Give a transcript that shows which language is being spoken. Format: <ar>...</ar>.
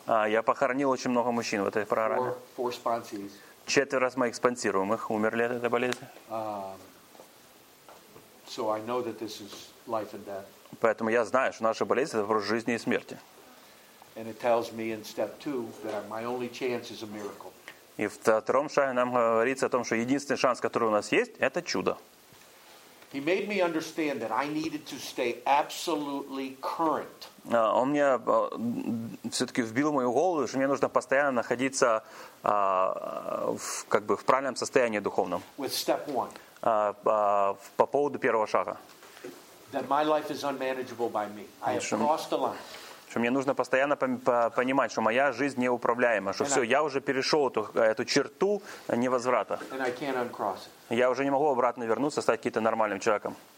<ru>Я похоронил очень много мужчин в этой программе.</ru> <en>Four sponsees.</en> <ru>Четверо моих спонсируемых умерли от этой болезни.</ru> <en>So I know that this is life and death.</en> <ru>Поэтому я знаю, что наша болезнь — это вопрос жизни и смерти.</ru> <en>And it tells me in step two that my only chance is a miracle.</en> <ru>И в втором шаге нам говорится о том, что единственный шанс, который у нас есть, это чудо.</ru> <en>He made me understand that I needed to stay absolutely current.</en> <ru>Он мне все-таки вбил в мою голову, что мне нужно постоянно находиться в правильном состоянии духовном.</ru> <en>With step one.</en> <ru>По поводу первого шага.</ru> <en>That my life is unmanageable by me. I have crossed the line.</en> <ru>Что мне нужно постоянно понимать, что моя жизнь неуправляема, что все, я уже перешел эту черту невозврата. Я уже не могу обратно вернуться, стать каким-то нормальным человеком.</ru>